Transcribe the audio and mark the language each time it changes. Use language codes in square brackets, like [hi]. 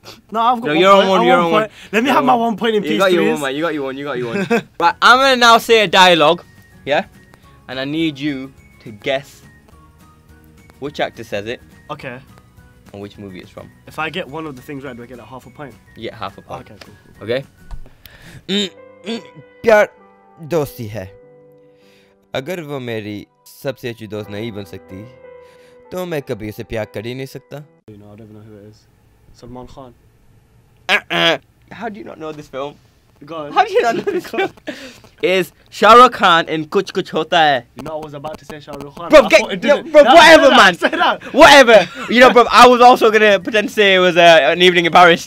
[en] No, I've got one point. Let me have one. My 1 point in you peace, got please. You got your one, man. You got your one. Right, I'm going to now say a dialogue. Yeah? And I need you to guess which actor says it. Okay. And which movie it's from. If I get one of the things right, do I get a half a point? Yeah, half a point. Okay, cool. Okay? [hi] प्यार दोस्ती है। अगर वो मेरी सबसे अच्छी दोस्त नहीं बन सकती, तो मैं कभी उसे प्यार कर ही नहीं सकता। [en] You know, I don't even know who it is. Salman Khan. How do you not know this film? Go on. How do you not know this film? Is Shah Rukh Khan in Kuch Kuch Hota Hai? You know, I was about to say Shah Rukh Khan. Bro, get, whatever, man. Whatever. You know, bro, I was also going to pretend to say it was an evening in Paris.